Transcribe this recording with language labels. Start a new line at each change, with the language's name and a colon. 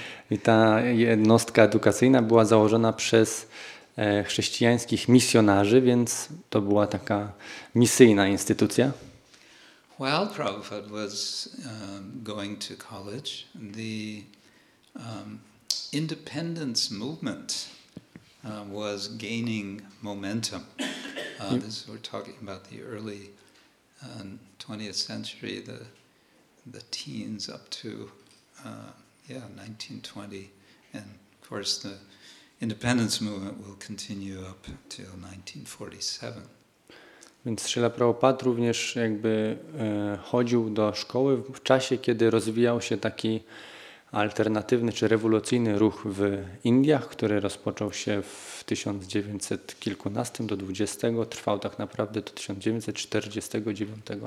Polish: I ta jednostka edukacyjna była założona przez chrześcijańskich misjonarzy, więc to była taka misyjna instytucja.
English: While Prabhupada was going to college, the independence movement was gaining momentum. This we're talking about the early 20th century, the teens up to 1920, and of course the independence movement will continue up till 1947.
Polish: Więc Srila Prabhupada również jakby chodził do szkoły w czasie, kiedy rozwijał się taki alternatywny czy rewolucyjny ruch w Indiach, który rozpoczął się w 1900 kilkunastym do 20, trwał tak naprawdę do 1949.